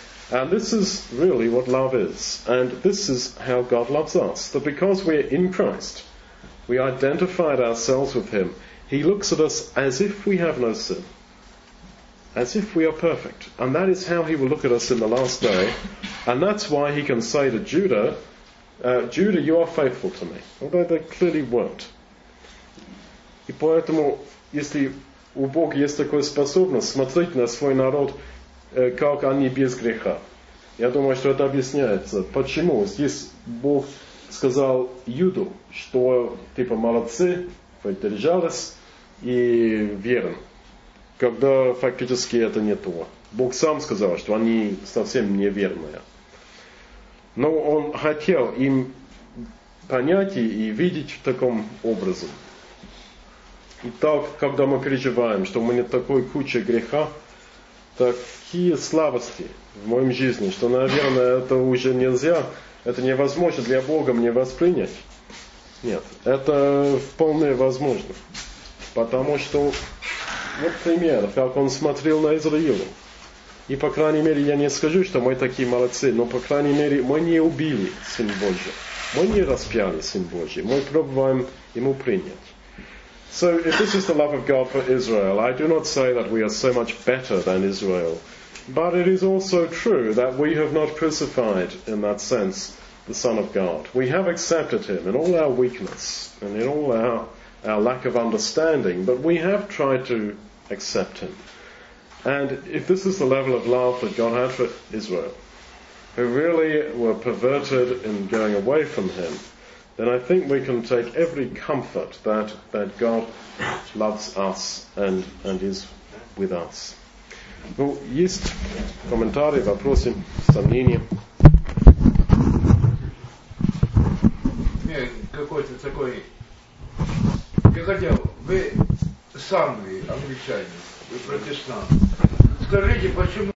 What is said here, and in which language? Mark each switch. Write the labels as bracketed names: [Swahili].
[English] And this is really what love is. And this is how God loves us, that because we're in Christ, we identified ourselves with him, he looks at us as if we have no sin, as if we are perfect. And that is how he will look at us in the last day. And that's why he can say to Judah, Judah, you are faithful to me. Although they clearly weren't. [Russian] И поэтому, если у Бога есть такая способность смотреть на свой народ, как они без греха. Я думаю, что это объясняется. Почему? Здесь Бог сказал Юду, что типа молодцы, вы держались и верен. Когда фактически это не то. Бог сам сказал, что они совсем неверные. Но он хотел им понять и видеть в таком образе. Итак, когда мы переживаем, что у меня такой куча греха, такие слабости в моем жизни, что, наверное, это уже нельзя, это невозможно для Бога мне воспринять. Нет, это вполне возможно. Потому что, вот пример, как он смотрел на Израиля. И, по крайней мере, я не скажу, что мы такие молодцы, но, по крайней мере, мы не убили Сын Божий. Мы не распяли Сын Божий. Мы пробуем Ему принять. [English] So, if this is the love of God for Israel, I do not say that we are so much better than Israel. But it is also true that we have not crucified, in that sense, the Son of God. We have accepted him in all our weakness and in all our lack of understanding, but we have tried to accept him. And if this is the level of love that God had for Israel, who really were perverted in going away from him, then I think we can take every comfort that God loves us and is with us. [Russian] Ну, есть комментарии, вопросы, сомнения? Какой-то такой... Я хотел... Вы сами англичане, вы протестант. Скажите, почему...